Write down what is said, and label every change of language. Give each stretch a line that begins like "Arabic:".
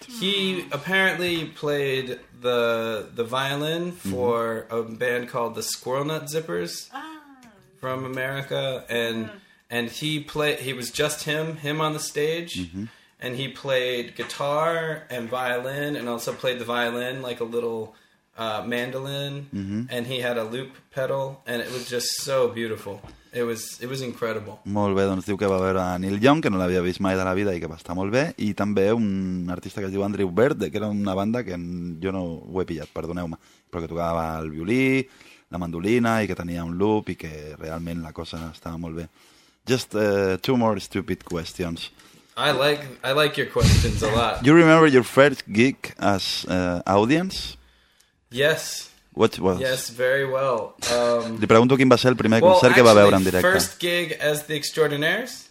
English: He apparently played the violin for a band called the Squirrel Nut Zippers from America, and... And he was just him on the stage, and he played guitar and violin, and also played the violin like a little mandolin, and he had a loop pedal, and it was just so beautiful. It was incredible.
Catalan: Molt bé, doncs diu que va veure a Neil Young, que no l'havia vist mai de la vida i que va estar molt bé, i també un artista que es diu Andrew Bird, que era una banda que jo no ho he pillat, perdoneu-me, però que tocava el violí, la mandolina, i que tenia un loop, i que realment la cosa estava molt bé.
English: Just two more stupid questions. I like your questions a lot. You remember your first gig as audience? Yes. What was? Yes, very well.
Catalan: Li pregunto quin va ser el primer concert que va veure en directe.
English: First gig as the Extraordinaires?